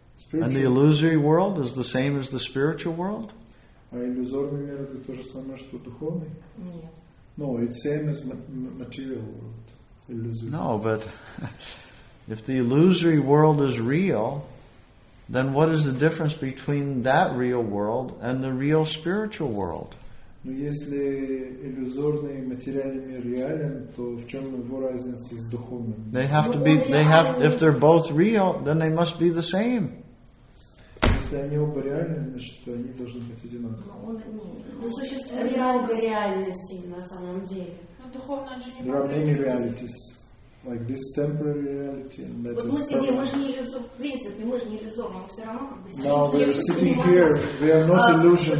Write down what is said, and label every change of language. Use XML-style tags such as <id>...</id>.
<en>And the illusory world is the same as the spiritual world?</en> <ru>А иллюзорный мир это то же самое, что духовный? Нет.</ru> <en>No, it's same as material world.</en> <ru>Нет.</ru> <en>Illusory. No, but if the illusory world is real, then what is the difference between that real world and the real spiritual world?</en> <ru>Ну если иллюзорный материальный мир реален, то в чем его разница с духовным?</ru> <en>They have to be. They have. If they're both real, then they must be the same.</en> <ru>Если они оба реальны, значит, они должны быть одинаковыми. Ну существует много реальностей на самом деле.</ru> <en>There are many realities, like this temporary reality and that is permanent. Now we are sitting here, we are not illusion.</en>